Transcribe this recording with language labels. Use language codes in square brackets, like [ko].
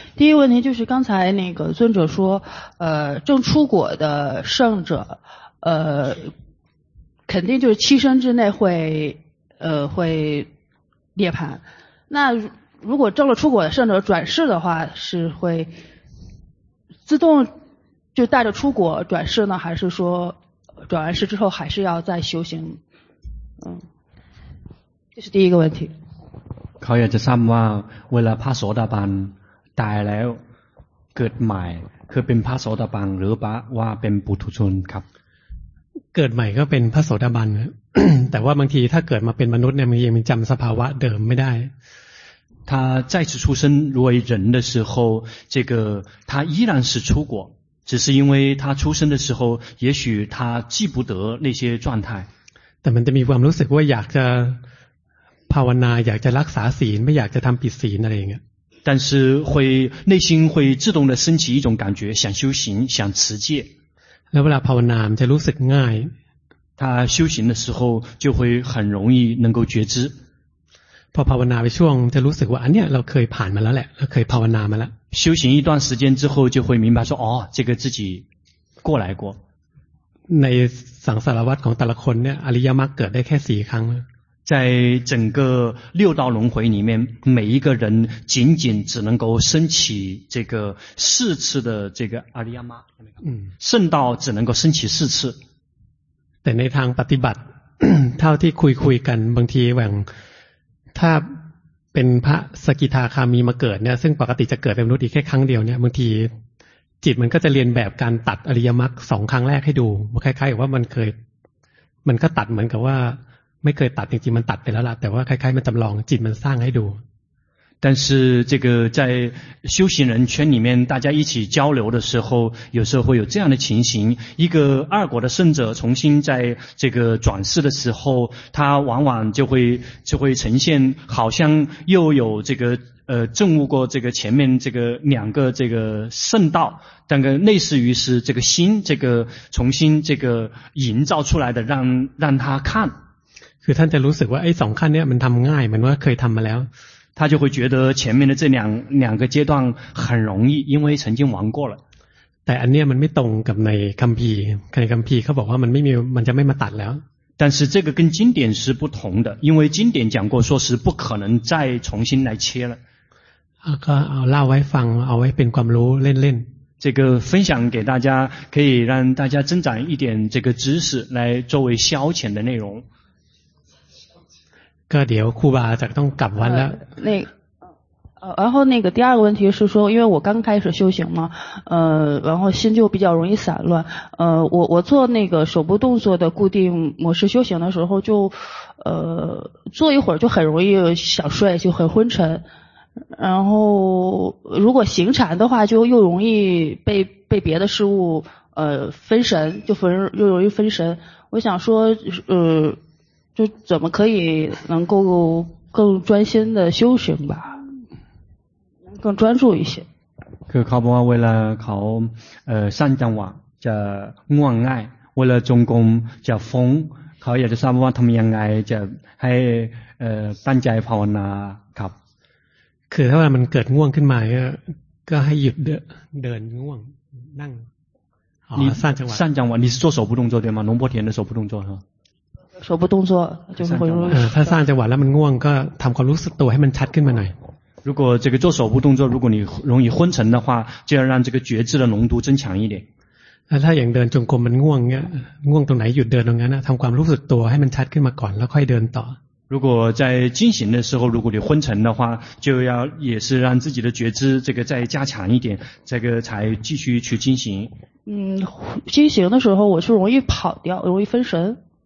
[zh] 第一个问题就是刚才那个尊者说正出果的圣者肯定就是七生之内会涅槃。那如果正了出果的圣者转世的话，是会自动就带着出果转世呢，还是说转完世之后还是要再修行？嗯，这是第一个问题。 [th] เขาอยากจะทราบว่าเวลาพระโสดาบันตายแล้วเกิดใหม่คือเป็นพระโสดาบันหรือปะว่าเป็นปุถุชนครับ เกิดใหม่ก็เป็นพระโสดาบันแต่ว่าบางทีถ้าเกิดมาเป็นมนุษย์เนี่ยมันยังจำสภาวะเดิมไม่ได้ [zh] 他再次出生为人的时候，这个他依然是出果，只是因为他出生的时候，也许他记不得那些状态。但 [th] มันจะมีความรู้สึกว่าอยากจะภาวนาอยากจะรักษาศีลไม่อยากจะทำผิดศีลอะไรอย่างเงี้ย。 [zh] 但是会内心会自动的升起一种感觉，想修行，想持戒。 [th] แล้วเวลาภาวนามันจะรู้สึกง่าย。 [zh] 他修行的时候就会很容易能够觉知。 [th] พอภาวนาไปช่วงจะรู้สึกว่าอันเนี้ยเราเคยผ่านมาแล้วแหละเราเคยภาวนามาแล้ว [zh] 修行一段时间之后就会明白说哦这个自己过来过 [th] ในสังสารวัฏของแต่ละคนเนี่ยอริยมรรคเกิดได้แค่สี่ครั้ง [zh] 在整个六道轮回里面每一个人仅仅只能够升起这个四次的这个อริยมรรค圣道只能够升起四次 [th] แต่ในทางปฏิบัติเท่าที่คุยกันบางทีแหวงถ้าเป็นพระสกิทาคามีมาเกิดเนี่ยซึ่งปกติจะเกิดเป็นมนุษย์อีกแค่ครั้งเดียวเนี่ยบางทีจิตมันก็จะเรียนแบบการตัดอริยมรรคสองครั้งแรกให้ดูคล้ายๆกับว่ามันก็ตัดเหมือนกับว่าไม่เคยตัดจริงๆมันตัดไปแล้วล่ะแต่ว่าคล้ายๆมันจำลองจิตมันสร้างให้ดู [zh] 但是这个在修行人圈里面大家一起交流的时候有时候会有这样的情形一个二果的圣者重新在这个转世的时候他往往就会呈现好像又有这个证悟过这个前面这个两个这个圣道但是类似于是这个心这个重新这个营造出来的让他看所以他就 [th] รู้สึกว่าไอ้สองขั้นเนี้ยมันทำง่ายเหมือนว่าเคยทำมาแล้ว [zh] 他就会觉得前面的这两个阶段很容易因为曾经玩过了 [th] แต่อันเนี้ยมันไม่ตรงกับในคัมภีร์ในคัมภีร์เขาบอกว่ามันไม่มีมันจะไม่มาตัดแล้ว [zh] 但是这个跟经典是不同的因为经典讲过说是不可能再重新来切了 [th] ก็เอาเล่าไว้ฟังเอาไว้เป็นความรู้เล่นๆ [zh] 这个分享给大家，可以让大家增长一点这个知识，来作为消遣的内容。 [th] ก็เดี๋ยวครูบาจะต้องกลับวันแล้ว [zh] 然后那个第二个问题是说，因为我刚开始修行嘛，然后心就比较容易散乱，我做那个手部动作的固定模式修行的时候，就坐一会儿就很容易想睡，就很昏沉，然后如果行禅的话，就又容易被别的事物分神，又容易分神。我想说，就怎么可以能够更专心的修行吧？更专注一些。 [th] คือเขาบอกว่าเวลาเขาสั้นจังหวะจะง่วงง่ายเวลาจงกรมจะฟุ้งเขาอยากจะทราบว่าทำยังไงจะให้ตั้งใจภาวนาครับ คือถ้าเวลามันเกิดง่วงขึ้นมาก็ให้หยุดเดินง่วงนั่ง นี่สั้นจังหวะสั้นจังหวะนี่ [zh] 做手部动作对吗龙波田的手部动作哈手部动作就会 [th] ถ้าสั้นจังหวะแล้วมันง่วงก็ทำความรู้สึกตัวให้มันชัดขึ้นมาหน่อย [zh] 如果这个做手部动作，如果你容易昏沉的话，就要让这个觉知的浓度增强一点。那他想 [th] เดินจงกรมมันง่วงเนี่ย ง่วงตรงไหนหยุดเดินตรงนั้นนะ ทำความรู้สึกตัวให้มันชัดขึ้นมาก่อนแล้วค่อยเดินต่อ [zh] 如果在进行的时候，如果你昏沉的话，就要也是让自己的觉知这个再加强一点，这个才继续去进行。进行的时候我是容易跑掉，容易分神。